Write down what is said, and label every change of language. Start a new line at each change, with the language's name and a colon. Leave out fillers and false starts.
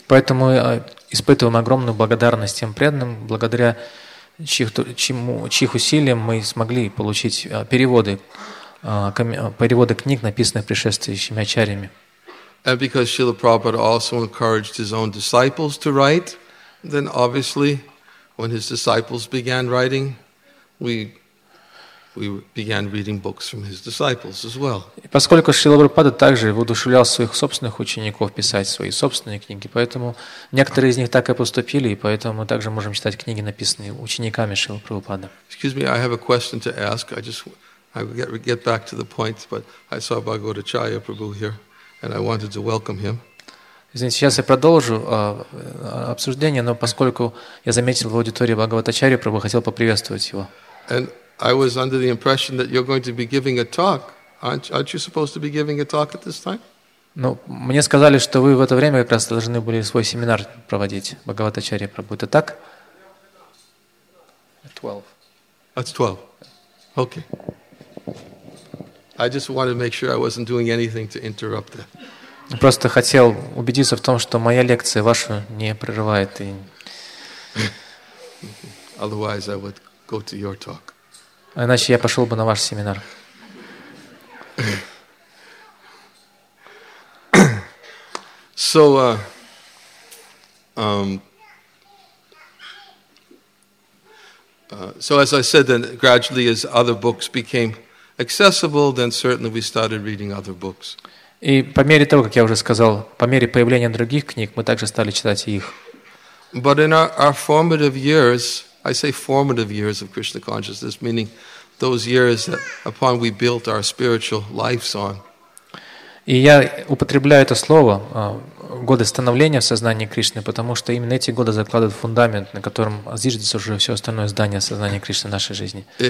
Russian: Поэтому испытываем огромную благодарность тем преданным, благодаря чьих усилиям мы смогли получить переводы книг, написанных предшествующими ачарьями.
English: And because Srila Prabhupada also encouraged his own disciples to write, then obviously when his disciples began writing, we began reading books from his disciples as well.
Russian: И поскольку Шрила Прабхупада также воодушевлял своих собственных учеников писать свои собственные книги, поэтому некоторые из них так и поступили, и поэтому мы также можем читать книги, написанные учениками Шрилы Прабхупады.
English: Excuse me, I have a question to ask. I get back to the point, but I saw Bhagavatacharya Prabhu here, and I wanted to welcome him.
Russian: Извините, сейчас я продолжу обсуждение, но поскольку я заметил в аудитории Бхагаватачарью Прабху, хотел поприветствовать его.
English: And I was under the impression that you're going to be giving a talk. Aren't you supposed to be giving a talk at this time?
Russian: Ну, мне сказали, что вы в это время как раз должны были свой семинар проводить, Бхагаватачарья Прабху. Это так?
English: 12. That's 12. Okay. I just wanted to make sure I wasn't doing anything to interrupt that.
Russian: Просто хотел убедиться в том, что моя лекция вашу не прерывает. И...
English: Otherwise, I would go to your talk.
Russian: Иначе я пошел бы на ваш семинар.
English: So, so as I said, then gradually as other books became accessible, then certainly we started reading other books.
Russian: И по мере того, как я уже сказал, по мере появления других книг, мы также стали читать их.
English: But in our formative years, I say formative years of Krishna consciousness, meaning those years that upon we built our spiritual lives on.
Russian: И я употребляю это слово годы становления в сознании Кришны, потому что именно эти годы закладывают фундамент, на котором зиждется уже все остальное здание сознания Кришны в нашей жизни.